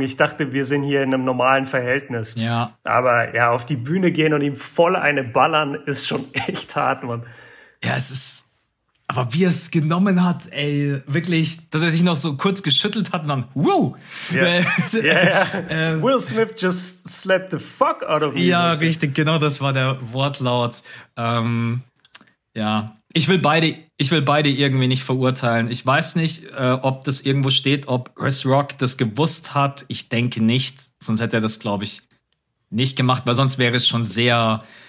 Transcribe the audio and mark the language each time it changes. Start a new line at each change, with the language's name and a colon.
German: Ich dachte, wir sind hier in einem normalen Verhältnis. Ja. Aber ja, auf die Bühne gehen und ihm voll eine ballern, ist schon echt hart, Mann. Ja, es ist... Aber wie er es genommen hat, ey, wirklich, dass er sich noch so kurz geschüttelt hat und dann, wow.
English: Yeah. Yeah, yeah. Will Smith just slapped the fuck out of me.
German: Ja, richtig, genau, das war der Wortlaut. Ja, ich will beide irgendwie nicht verurteilen. Ich weiß nicht, ob das irgendwo steht, ob Chris Rock das gewusst hat. Ich denke nicht, sonst hätte er das, glaube ich, nicht gemacht, weil sonst wäre es schon sehr...